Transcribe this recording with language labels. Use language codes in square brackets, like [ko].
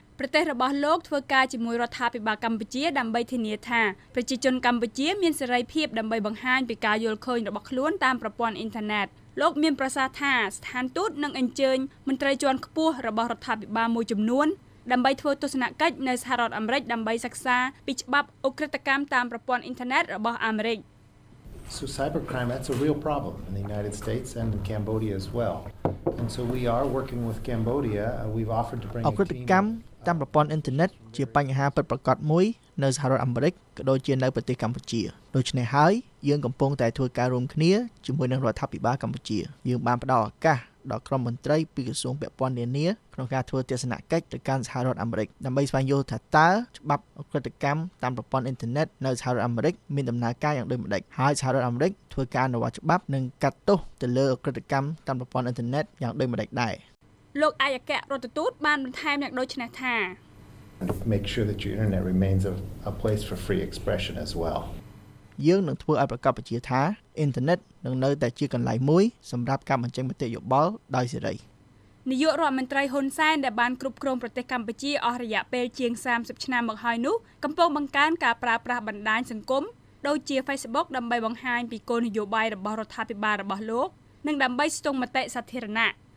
[km] ប្រទេសរបស់លោកធ្វើការជាមួយរដ្ឋាភិបាលកម្ពុជាដើម្បីធានាថាប្រជាជនកម្ពុជាមានសេរីភាពដើម្បីបង្ហាញពីការយល់ឃើញរបស់ខ្លួនតាមប្រព័ន្ធអ៊ីនធឺណិតលោកមានប្រសាសន៍ថាស្ថានទូតនឹងអញ្ជើញមន្ត្រីជាន់ខ្ពស់របស់រដ្ឋាភិបាលមួយចំនួនដើម្បីធ្វើទស្សនកិច្ចនៅសហរដ្ឋអាមេរិកដើម្បីសិក្សាពីច្បាប់អូក្រិតកម្មតាមប្រព័ន្ធអ៊ីនធឺណិតរបស់អាមេរិក [en] So cybercrime, that's a real problem in the United States and in Cambodia as well. And so we are working with Cambodia. We've offered to bring [km] អង្គការកម្មតាមប្រព័ន្ធអ៊ីនធឺណិតជាបញ្ហាពិតប្រាកដមួយនៅសហរដ្ឋអាមេរិកក៏ដូចជានៅប្រទេសកម្ពុជាដូច្នេះហើយយើងកំពុងតែធ្វើការរួមគ្នាជាមួយនឹងរដ្ឋាភិបាលកម្ពុជាយើងបានផ្តល់ឱកាសដល់ក្រុមមន្ត្រីពីក្រសួងពាក់ព័ន្ធនានាក្នុងការធ្វើទស្សនកិច្ចទៅកាន់សហរដ្ឋអាមេរិកដើម្បីស្វែងយល់ថាតើច្បាប់អក្រិតកម្មតាមប្រព័ន្ធអ៊ីនធឺណិតនៅសហរដ្ឋអាមេរិកមានដំណើរការយ៉ាងដូចម្តេចហើយសហរដ្ឋអាមេរិកធ្វើការអនុវត្តច្បាប់និងកាត់ទោសទៅលើអក្រិតកម្មតាមប្រព័ន្ធអ៊ីនធឺណិតយ៉ាងដូចម្តេចដែរ លោកអាយកៈរដ្ឋទូតបានបន្ថែមយ៉ាងដូចនេះថា [en] Make sure that your internet remains a place for free expression as well [km] យើងនឹងធ្វើឲ្យប្រកបប្រជាថាអ៊ីនធឺណិតនឹងនៅតែជាកន្លែងមួយសម្រាប់ការបញ្ចេញមតិយោបល់ដោយសេរី នាយករដ្ឋមន្ត្រីហ៊ុនសែនដែលបានគ្រប់គ្រងប្រទេសកម្ពុជាអស់រយៈពេលជាង30ឆ្នាំមកហើយនោះកំពុងបង្កើនការប្រើប្រាស់បណ្ដាញសង្គមដូចជា Facebook ដើម្បីបង្ហាញពីគោលនយោបាយរបស់រដ្ឋាភិបាលរបស់លោកនិងដើម្បីស្ទង់មតិសាធារណៈ